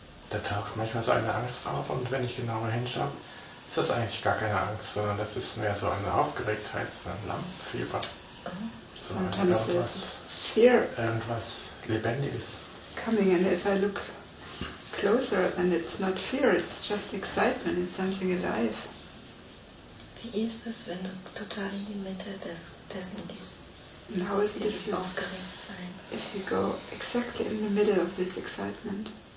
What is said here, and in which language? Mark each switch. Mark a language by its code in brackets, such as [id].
[de] Da taucht manchmal so eine Angst auf, und wenn ich genauer hinschaue, ist das eigentlich gar keine Angst, sondern das ist mehr so eine Aufgeregtheit, so ein Lampenfieber. So irgendwas, fear irgendwas Lebendiges. [en] Coming, and if I look closer, then it's not fear, it's just excitement, it's something alive. [de] Wie ist es, wenn du total in die Mitte dessen gehst? [en] And how is it if you go exactly in the middle of this excitement?